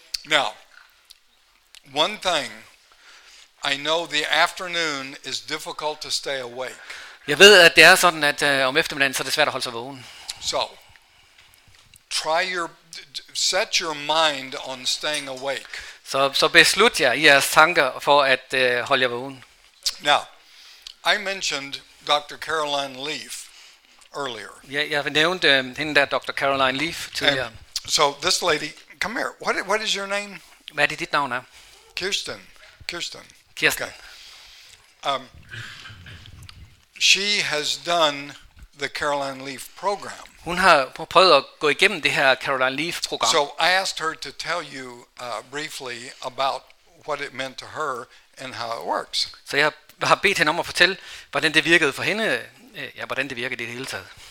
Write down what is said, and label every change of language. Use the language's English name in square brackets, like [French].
[English] Now, one thing, I know the afternoon is difficult to stay awake. [Danish] Jeg ved, at det er sådan, at om eftermiddagen så er det svært at holde sig vågen. [English] So, try your set your mind on staying awake. [Danish] Så beslut jer i jeres tanker for at holde jer vågen. [English] Now, I mentioned Dr. Caroline Leaf earlier. [Danish] Jeg nævnte hende der, Dr. Caroline Leaf, tidligere. [English] And so this lady, come here. What is your name? [Danish] Hvad er dit navn er? Kirsten. [English] Kirsten. Okay. She has done the Caroline Leaf program. [Danish] Hun har prøvet at gå igennem det her Caroline Leaf program. [English] So I asked her to tell you briefly about what it meant to her and how it works. [Danish] Så jeg har bedt hende om at fortælle, hvordan det virkede for hende, ja, hvordan det virkede i det hele taget.